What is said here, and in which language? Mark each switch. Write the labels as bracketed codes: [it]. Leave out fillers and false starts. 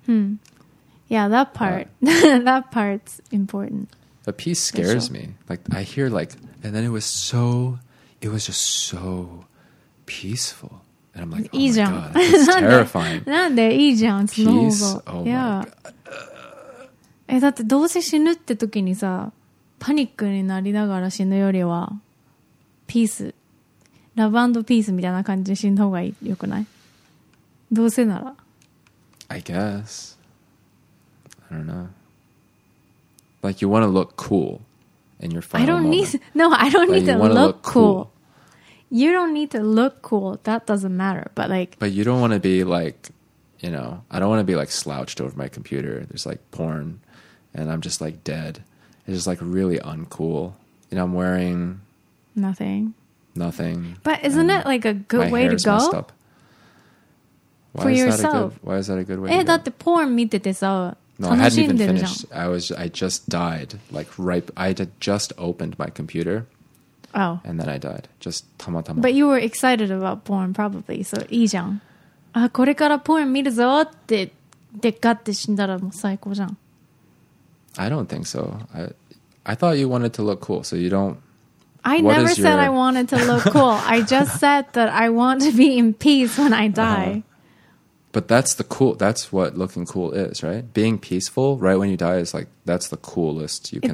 [en] Hmm. Yeah, that part. that part's important. But peace scares me. Like, I hear like, and then it was just so peaceful. And I'm like, oh my god, that's terrifying. [ja] なんでいいじゃん? [en] Peace? Oh yeah. My god. [ja] だってどうせ死ぬって時にさ、パニックになりながら死ぬよりはピース、ラブ&ピースみたいな感じで死んだ方がいい、よくない? どうせなら。 [en] I guess. I don't know. Like, you want to look cool in your final moment. I don't need to look cool. You don't need to look cool. That doesn't matter. But like... But you don't want to be like, you know, I don't want to be like slouched over my computer. There's like porn and I'm just like dead. It's just like really uncool. You know, I'm wearing... Nothing. But isn't it like a good way to go? My hair's messed up. For yourself. Why is that a good way to go? [ja] だってポーン見ててさ、楽しんでるじゃん。 [en] No, I hadn't even finished. I just died. Like right... I had just opened my computer. Oh. And then I died. Just [ja] たまたま。 [en] But you were excited about porn probably. So [ja] いいじゃん。あ、これからポーン見るぞって、でかって死んだらもう最高じゃん。 [en] I don't think so. I thought you wanted to look cool, so you don't... I never said I wanted to look cool. I just said that I want to be in peace when I die. But that's the cool... That's what looking cool is, right? Being peaceful right when you die is like... That's the coolest you can look.